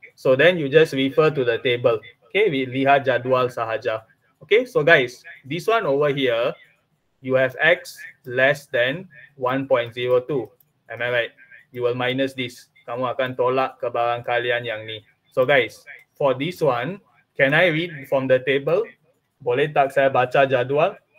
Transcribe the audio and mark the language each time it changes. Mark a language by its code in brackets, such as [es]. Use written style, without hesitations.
[en] So then you just refer to the table. Okay? We [ms] lihat jadual sahaja. [en] Okay? So guys, this one over here, you have x less than 1.02. Am I right? You will minus this. [ms] Kamu akan tolak ke barang kalian yang ni. [en] So guys, for this one, can I read from the table? [ms] Boleh tak saya baca jadual?